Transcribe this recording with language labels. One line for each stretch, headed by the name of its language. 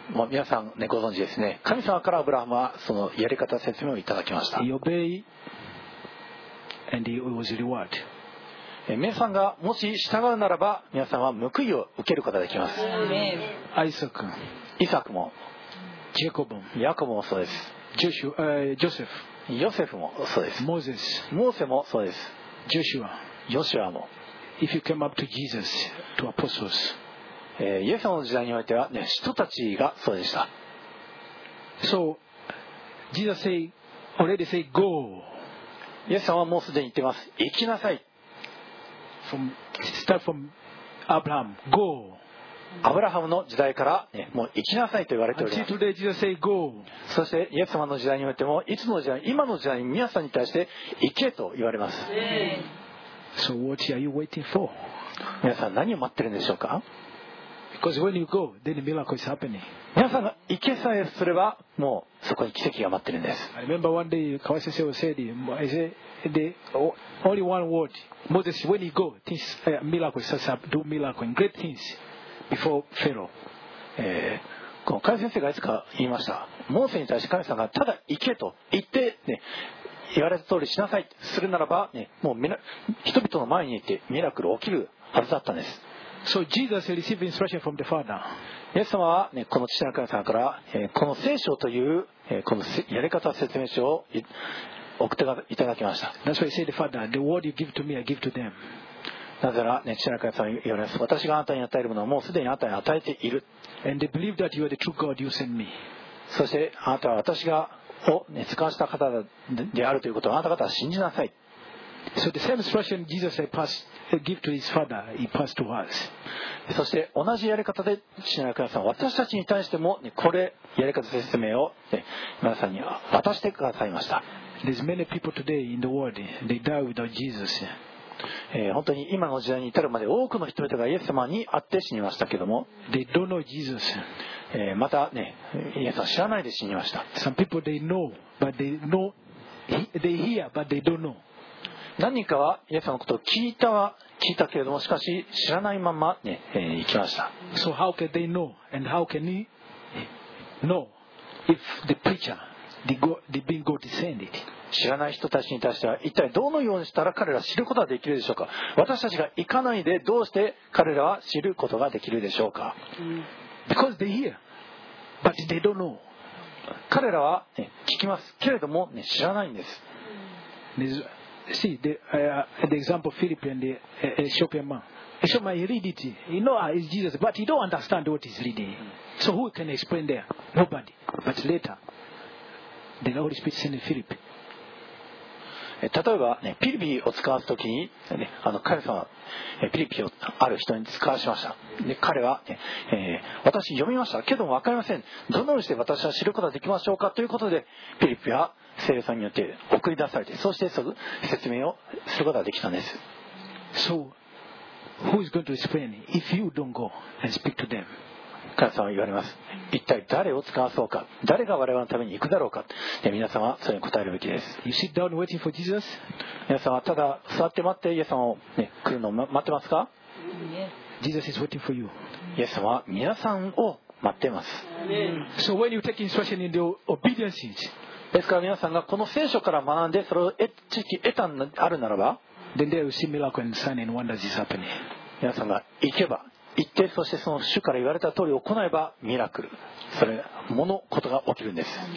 Japanese: 皆さん、ね、ご存知ですね。神様からアブラハムはそのやり方説明をいただきました。
English: He obey and he was reward.
Japanese: 皆さんがもし従うならば、皆さんは報いを受けることができます。
English: アイサク、
Japanese: イサクも、
English: ジェコブ、
Japanese: ヤコブもそうです。
English: ジョセフ、
Japanese: ヨセフもそうです。
English: モーゼス、
Japanese: モーセもそうです。
English: ジョシュア、
Japanese: ヨシュアも。
English: If you came up to Jesus, to apostles,
Japanese: イエス様の時代においては、ね、使徒たちがそうでした。
English: So, Jesus said, already say, go.
Japanese: イエス様はもうすでに言っています。行きなさい。
English: Start from Abraham. Go.
Japanese: アブラハムの時代から、ね、もう行きなさいと言われております。
English: Until today, Jesus say, go.
Japanese: そしてイエス様の時代においても、いつの時代、今の時代に皆さんに対して行けと言われます。
English: So what are you waiting for?
Japanese: 皆さん何を待ってるんでしょうか。
English: Because when you go, then the miracle is happening.
Japanese: 皆さんが行けさえすればもうそこに奇跡が待ってるんです。
English: I remember one day, 川先生 said, I said, only one word, Moses, when you go, things, miracle starts up, do miracle, great things before Pharaoh.
Japanese: 川先生がいつか言いました。モーセに対して神様がただ行けと言って、ね、言われた通りしなさい、するならば、ね、もう人々の前にいてミラクル起きるはずだったんです。
English: So Jesus received instruction from the Father.
Japanese: イエス様は、ね、この父なる神から、この聖書という、このやり方説明書を送っていただきました。
English: That's why he said, Father, the word you give to me, I give to them.
Japanese: なぜなら、ね、父なる神様言われます。私があなたに与えるものはもうすでにあなたに与えている。
English: And they believe that you are the true God you sent me.
Japanese: そしてあなたは私がを、ね、使わせた方であるということをあなた方は信じなさい。
English: So the same instruction Jesus gave to his father, he passed to us.
Japanese: そして同じやり方で父なる神様は私たちに対しても、ね、これやり方説明を、ね、皆さんに渡してくださいました。
English: There's many people today in the world, they die without Jesus.
Japanese: 本当に今の時代に至るまで多くの人々がイエス様に会って死にましたけども
English: They don't know Jesus.
Japanese: また、ね、イエス様知らないで死にました。
English: Some people they know, but they know, they hear, but they don't know.
Japanese: 何人かはイエス様のことを聞いたは聞いたけれどもしかし知らないまま、ね、行きました。
English: So how can they know and how can he know if the preacher they've been God descended?
Japanese: 知らない人たちに対しては一体どのようにしたら彼ら知ることができるでしょうか。私たちが行かないでどうして彼らは知ることができるでしょうか。
English: Because they hear, but they don't know.
Japanese: 彼らは、ね、聞きますけれども、ね、知らないんです。
English: See the example of Philip and the Ethiopian man. Ethiopian man read it. He know it's Jesus, but he don't understand what he's reading. So who can explain there? Nobody. But later, the Holy Spirit sent Philip.
Japanese: 例えば、ね、ピリピを使わすときに、ね、あの神様ピリピをある人に使わしました。で彼は、ね、私読みましたけども分かりません、どのようにして私は知ることができましょうかということでピリピは聖霊さんによって送り出されて、そしてその説明をすることができたんです。
English: So who is going to explain if you don't go and speak to them?
Japanese: 神様は言われます。一体誰を使わそうか、誰が我々のために行くだろうか。皆さんはそれに答えるべきです。
English: You sit down waiting for Jesus?
Japanese: 皆さんはただ座って待ってイエス様を、ね、来るのを待ってますか。
English: Jesus is waiting for you.
Japanese: イエス様は皆さんを待っています。
English: So when you take instruction in the obedience,
Japanese: ですから皆さんがこの聖書から学んでそれを知識得たのあるならば
English: Then there will see miracle and sign and wonders is happening.
Japanese: 皆さんが行けば言って、そしてその主から言われた通り行えばミラクル、それものことが起きるんです。